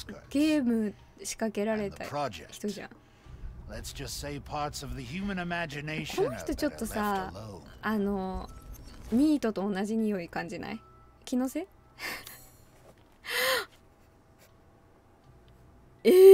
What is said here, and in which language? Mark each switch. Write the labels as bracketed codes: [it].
[ja] ゲーム仕掛けられた人じゃん。 [en] Let's just say parts of the human imagination are better left alone. [ja] あの、ミートと同じ匂い感じない？気のせい？